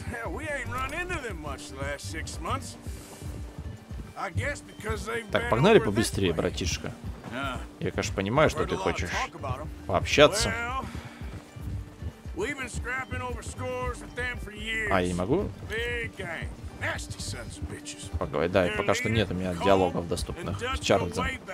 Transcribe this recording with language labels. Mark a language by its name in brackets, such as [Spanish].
[English] Hell, we ain't run into them much the last six months. I guess because they've been. [Russian] Так, погнали побыстрее, братишка. Я, конечно, понимаю, что ты хочешь пообщаться. [English] We've been scrapping over scores with them for years. [Russian] А я не могу? [English] Nasty sons of bitches. [Russian] Погоди, да, и пока что нет у меня диалогов доступных с Чарльзом.